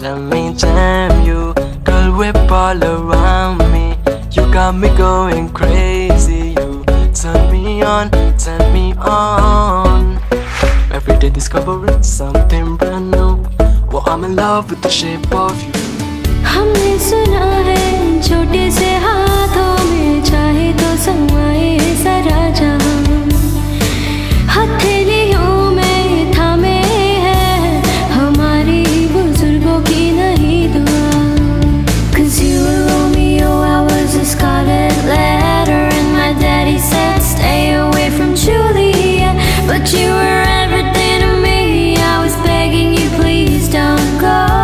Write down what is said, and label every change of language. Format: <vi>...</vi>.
<en>Let me jam you, girl, whip all around me. You got me going crazy. You turn me on, turn me on. Every day discovering something brand new. Well, I'm in love with the shape of you.</en> <hi>हमने सुना है छोटे से हाथों में, चाहे तो समाए सारा जहां. हथेलियों में थामे है हमारी बुजुर्गों की नहीं दुआ.</hi> <en>Cause you were Romeo, I was a scarlet letter, and my daddy said stay away from Juliet. But you were everything to me, I was begging you please don't go.</en>